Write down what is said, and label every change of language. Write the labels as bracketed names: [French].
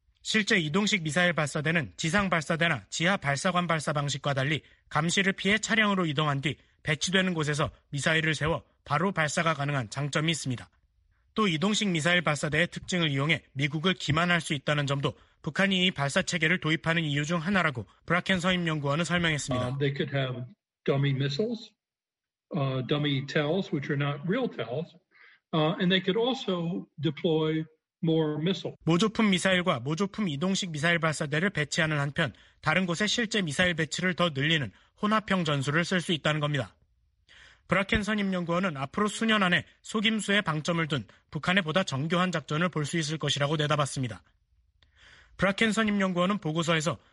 [Korean] 실제 이동식 미사일 발사대는 지상 발사대나 지하 발사관 발사 방식과 달리 감시를 피해 차량으로 이동한 뒤 배치되는 곳에서 미사일을 세워 바로 발사가 가능한 장점이 있습니다. 또 이동식 미사일 발사대의 특징을 이용해 미국을 기만할 수 있다는 점도 북한이 이 발사 체계를 도입하는 이유 중 하나라고 브라켄 선임연구원은 설명했습니다. [English] They could have dummy missiles, dummy tells, which are not real tells, and they could also deploy more missiles. [Korean] 모조품 미사일과 모조품 이동식 미사일 발사대를 배치하는 한편 다른 곳에 실제 미사일 배치를 더 늘리는 혼합형 전술을 쓸 수 있다는 겁니다. 브라켄 선임연구원은 앞으로 수년 안에 속임수에 방점을 둔 북한의 보다 정교한 작전을 볼 수 있을 것이라고 내다봤습니다. 브라켄 선임연구원은 보고서에서